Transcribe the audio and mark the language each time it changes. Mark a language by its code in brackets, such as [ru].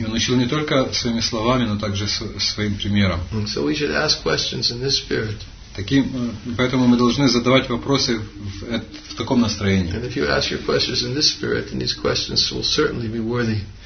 [ru] И он учил не только своими словами, но также своим примером. [en] So we should ask questions in this spirit. [ru] Таким, поэтому мы должны задавать вопросы в таком настроении. [en] And if you ask your questions in this spirit, then these questions will certainly be worthy.